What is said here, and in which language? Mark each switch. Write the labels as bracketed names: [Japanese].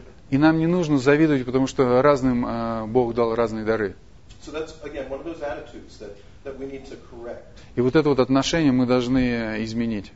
[Russian] И нам не нужно завидовать, потому что разным Бог дал разные дары. [English] So that's again one of those attitudes that we need to correct. [Russian] И вот это вот отношение мы должны изменить.